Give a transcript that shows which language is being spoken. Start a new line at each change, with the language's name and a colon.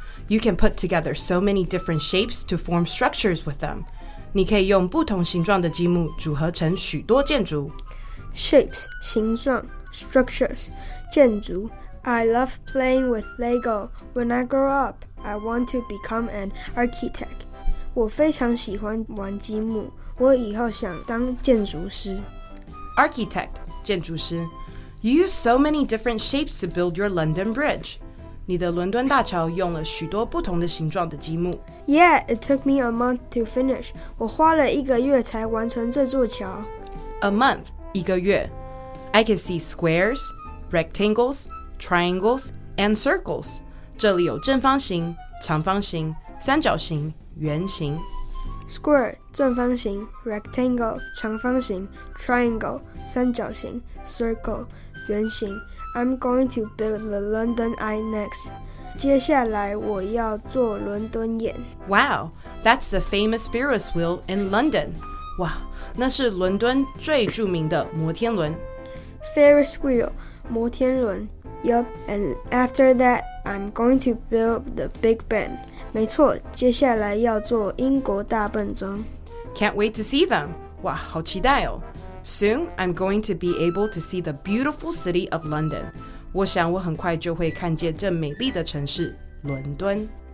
English: You can put together so many different shapes to form structures with them.
Chinese: 你可以用不同形状的积木组合成许多建筑。
English: Shapes, 形状, structures, 建筑。 I love playing with Lego. When I grow up, I want to become an architect.
Chinese: 我非常喜欢玩积木,我以后想当建筑师。
English: Architect, 建筑师。 You use so many different shapes to build your London Bridge.
Chinese: 你的伦敦大桥用了许多不同的形状的积木。
English: Yeah, it took me a month to finish.
Chinese: 我花了一个月才完成这座桥。
English: A month, 一个月。 I can see squares, rectangles, triangles, and circles.
Chinese: 这里有正方形、长方形、三角形、圆形。
English: Square, 正方形 Rectangle, 长方形 Triangle, 三角形 Circle, 圆形 I'm going to build the London Eye next.
Chinese: 接下来我要做伦敦眼
English: Wow, that's the famous Ferris wheel in London.
Chinese: 哇，那是伦敦最著名的摩天轮
English: Ferris wheel, 摩天轮 Yup, and after that, I'm going to build the Big Ben.
Chinese: 没错，接下来要做英国大笨钟。
English: Can't wait to see them.
Chinese: 哇，好期待哦。
English: Soon, I'm going to be able to see the beautiful city of London.
Chinese: 我想我很快就会看见这美丽的城市，伦敦。